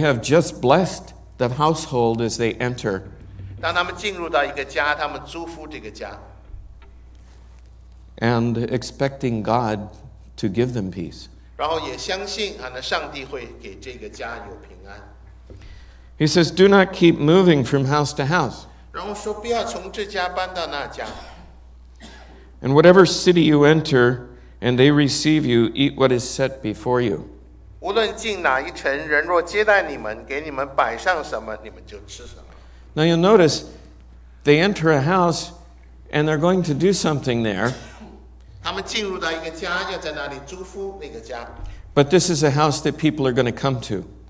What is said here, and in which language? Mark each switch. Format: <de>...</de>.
<en>have just blessed the household as they enter.</en> <zh>当他们进入到一个家，他们祝福这个家。</zh> <en>And expecting God to give them peace.</en> <zh>然后也相信上帝会给这个家有平安。</zh> <en>He says, do not keep moving from house to house.</en> <zh>然后说不要从这家搬到那家。</zh> <en>And whatever city you enter, and they receive you, eat what is set before you.</en> <zh>无论进哪一城，人若接待你们，给你们摆上什么，你们就吃什么。</zh> <en>Now you'll notice, They enter a house and they're going to do something there. But this is a house that people are going to come to.</en>